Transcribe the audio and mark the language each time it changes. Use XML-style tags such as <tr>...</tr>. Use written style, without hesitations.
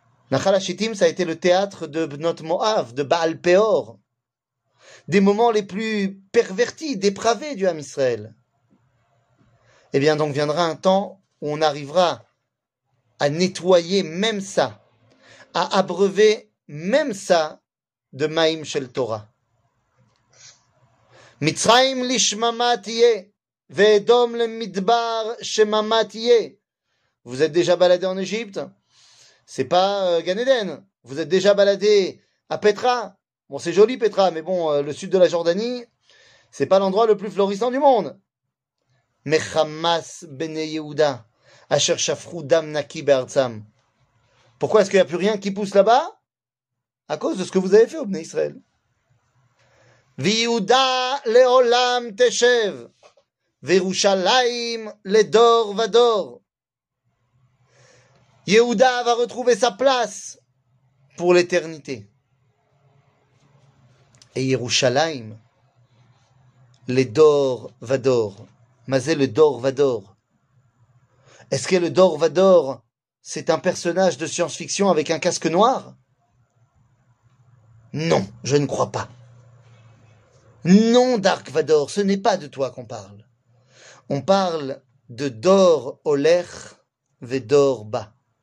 <fr>Nachal Ashitim, ça a été le théâtre de Bnot Moav, de Baal Peor, des moments les plus pervertis, dépravés du Ham Israël. Eh bien, donc viendra un temps où on arrivera à nettoyer même ça, à abreuver même ça de</fr> <he>Maïm Shel Torah. מצרים לשממה תהיה, ואדום למדבר שממה תהיה.</he> <fr>Vous êtes déjà baladé en Égypte? C'est pas Gan Eden. Vous êtes déjà baladé à Petra? Bon, c'est joli Petra, mais bon, le sud de la Jordanie, c'est pas l'endroit le plus florissant du monde.</fr> <he>Mechamas ben Yehuda, asher shafru dam naki be'artzam.</he> <fr>Pourquoi est-ce qu'il n'y a plus rien qui pousse là-bas? À cause de ce que vous avez fait au Bnei Israël.</fr> <he>ויהודה לעולם תשב, וירושלים לדור ודור.</he> <fr>יהודה va retrouver sa place pour l'éternité.</fr> <he>Et ירושלים, לדור ודור. מה זה לדור ודור?</he> <fr>Est-ce que le dor vador, c'est un personnage de science-fiction avec un casque noir? Non, je ne crois pas. Non, Dark Vador, ce n'est pas de toi qu'on parle. On parle de</fr> <he>Dor Oler Vedor Ba.</he>